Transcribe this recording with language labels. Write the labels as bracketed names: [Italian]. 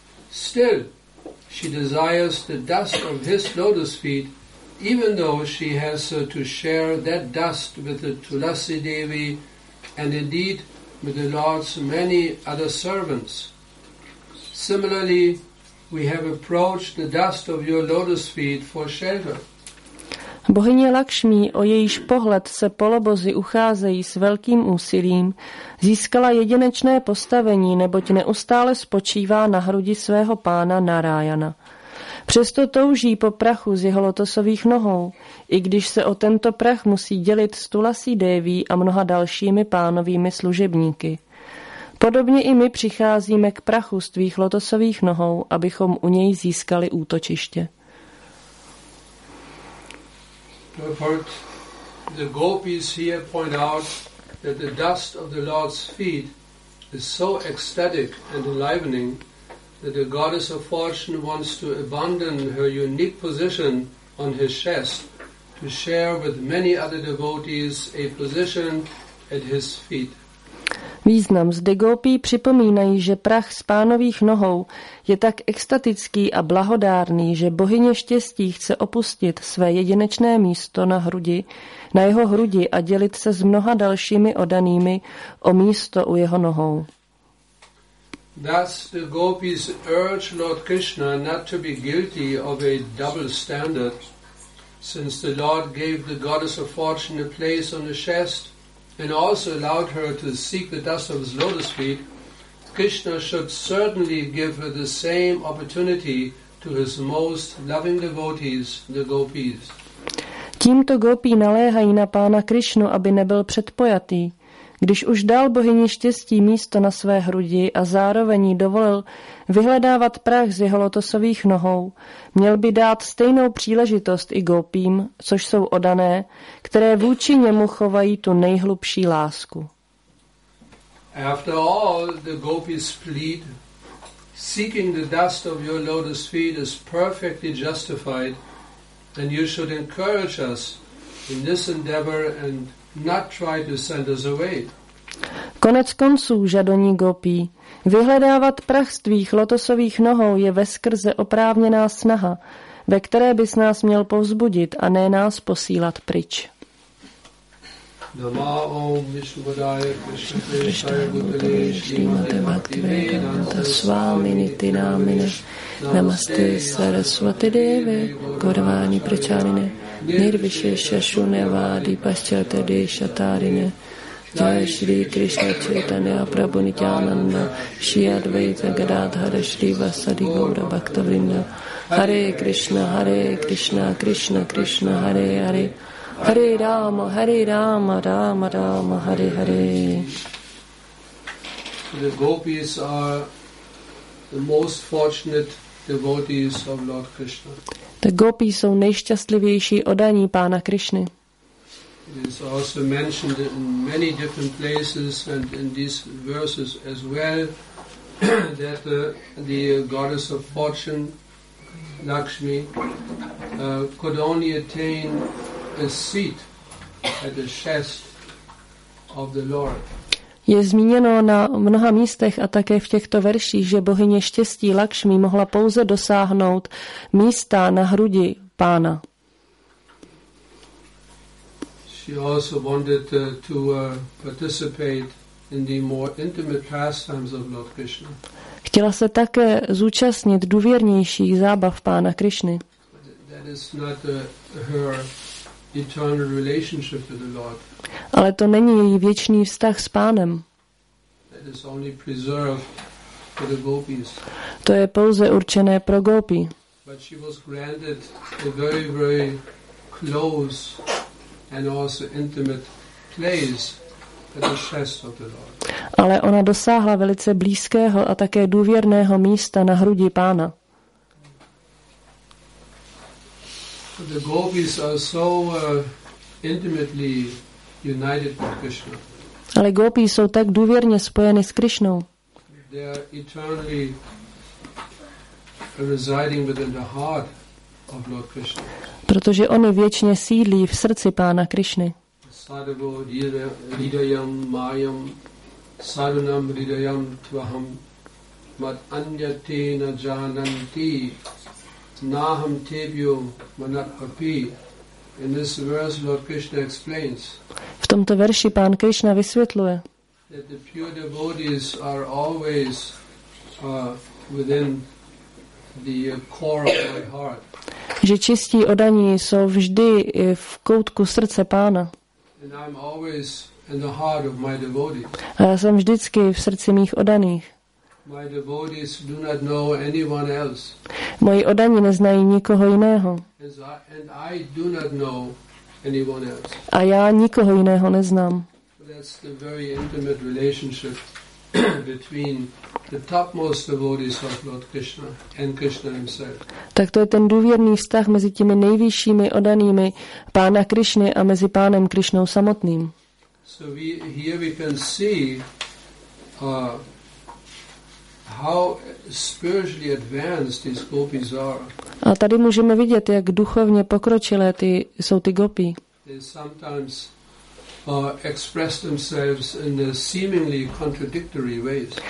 [English] Still, she desires the dust of his lotus feet, even though she has to share that dust with the Tulasi Devi and indeed with the Lord's many other servants. Similarly, we have approached the dust of your lotus feet for shelter. [Czech] Bohyně Lakšmí, o jejíž pohled se polobozy ucházejí s velkým úsilím, získala jedinečné postavení, neboť neustále spočívá na hrudi svého pána Narayana. Přesto touží po prachu z jeho lotosových nohou, i když se o tento prach musí dělit s Tulasí Déví a mnoha dalšími pánovými služebníky. Podobně i my přicházíme k prachu z tvých lotosových nohou, abychom u něj získali útočiště. [English] The gopis here point out that the dust of the Lord's feet is so ecstatic and enlivening that the goddess of fortune wants to abandon her unique position on his chest to share with many other devotees a position at his feet. [Czech] Význam zde gopí připomínají, že prach s pánových nohou je tak extatický a blahodárný, že bohyně štěstí chce opustit své jedinečné místo na jeho hrudi a dělit se s mnoha dalšími odanými o místo u jeho nohou. [English] Thus the gopis urge Lord Krishna not to be guilty of a double standard, since the Lord gave the goddess of fortune a place on the chest and also allowed her to seek the dust of his lotus feet, Krishna should certainly give her the same opportunity to his most loving devotees, the gopis. [Czech] Tímto gopí naléhají na pána Krishnu, aby nebyl předpojatý. Když už dal bohyni štěstí místo na své hrudi a zároveň dovolil vyhledávat prach z jeho lotosových nohou, měl by dát stejnou příležitost i gopím, což jsou odané, které vůči němu chovají tu nejhlubší lásku. [English] After all, the gopis plead, seeking the dust of your lotus feet is perfectly justified, and you should encourage us in this endeavor and not try to send us away. [Czech] Konec konců, žadoní gopí, vyhledávat prach z tvých lotosových nohou je veskrze oprávněná snaha, ve které bys nás měl povzbudit a ne nás posílat pryč. [Sanskrit] Namo Om Vishvadaya Krishnaya Bhutale Shrimate Bhaktivedanta Swamini Tinamine Namaste Sarasvati Deve Gauravani Prachamine Nirvishesha Shunyavadi Paschate Deshatarine Jai Shri Krishna Chaitanya Prabhu Nityananda Shri Advaita Gadadhara Shri Vasadi Gaura Bhaktavrinda Hare Krishna Hare Krishna Krishna Krishna Hare Hare Hare Rama Hare Rama Rama Rama Hare Hare. [English] The gopis are the most fortunate devotees of Lord Krishna. [Czech] The gopis jsou nejšťastlivější odaní pána Krishny. [English] It is also mentioned in many different places and in these verses as well that the goddess of fortune, Lakshmi, could only attain a seat at the chest of the Lord. [Czech] Je zmíněno na mnoha místech a také v těchto verších, že bohyně štěstí Lakšmi mohla pouze dosáhnout místa na hrudi pána. [English] She also wanted to participate in the more intimate pastimes of Lord Krishna. [Czech] Chtěla se také zúčastnit důvěrnějších zábav pána Krišny. [English] That is not her eternal relationship with the Lord. [Czech] Ale to není její věčný vztah s pánem. [English] That is only preserved for the gopis. [Czech] To je pouze určené pro gopi. [English] But she was granted a very, very close and also intimate place at the chest of the Lord. [Czech] Ale ona dosáhla velice blízkého a také důvěrného místa na hrudi pána. [English] The gopis are so intimately united with Krishna. [Czech] Ale gopi jsou tak důvěrně spojeny s Krišnou. [English] They are eternally residing within the heart of Lord Krishna. [Czech] Protože oni věčně sídlí v srdci pána Krišny. [Sanskrit] Sadago hridayam mayam sarunam hridayam tvaham mat anyate na jananti naham tebyo manakapi. [English] In this verse Lord Krishna explains. [Czech] V tomto verši pán Krishna vysvětluje. [English] That the pure devotees are always within the core of my heart. [Czech] Že čistí oddaní jsou vždy v koutku srdce pána. [English] And I'm always in the heart of my devotees. [Czech] A já jsem vždycky v srdci mých oddaných. [English] My devotees do not know anyone else. [Czech] Moji oddaní neznají nikoho jiného. [English] And I do not know anyone else. [Czech] A já nikoho jiného neznám. [English] That's the very intimate relationship between the topmost devotees of Lord Krishna and Krishna himself. [Czech] Tak to je ten důvěrný vztah mezi těmi nejvyššími oddanými pána Krišny a mezi pánem Krišnou samotným. [English] So here we can see how spiritually advanced these gopis are. [Czech] A tady můžeme vidět, jak duchovně pokročilé jsou ty gopi. [English] They sometimes express themselves in the seemingly contradictory ways.